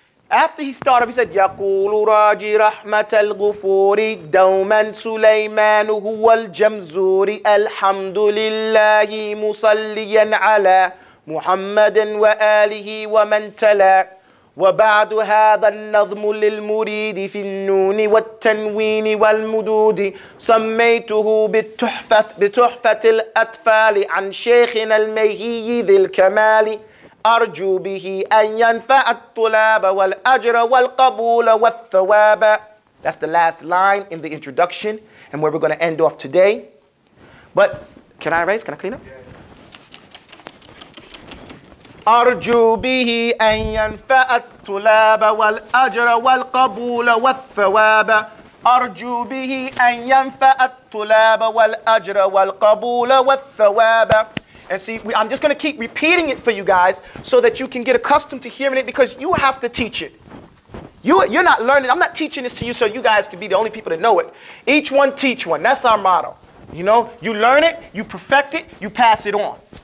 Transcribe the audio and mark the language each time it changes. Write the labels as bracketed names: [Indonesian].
[English] After he started, he said, [Arabic] يقول راجي رحمة الغفور دوما سليمان هو الجمزور الحمد لله مصليا على محمد وآله ومن تلا وبعد هذا النظم للمريد في النون والتنوين والمدود سميته بتحفة الأطفال عن شيخنا المهي ذي الكمال أرجو به أن ينفع الطلاب والأجر والقبول والثواب. [English] That's the last line in the introduction and where we're going to end off today. But can I erase? Can I clean up? [Arabic] أرجو به أن ينفع الطلاب والأجر والقبول والثواب. أرجو به أن ينفع الطلاب والأجر والقبول والثواب. [English] And see, I'm just going to keep repeating it for you guys so that you can get accustomed to hearing it because you have to teach it. You're not learning. I'm not teaching this to you so you guys can be the only people to know it. Each one teach one. That's our motto. You know, you learn it, you perfect it, you pass it on.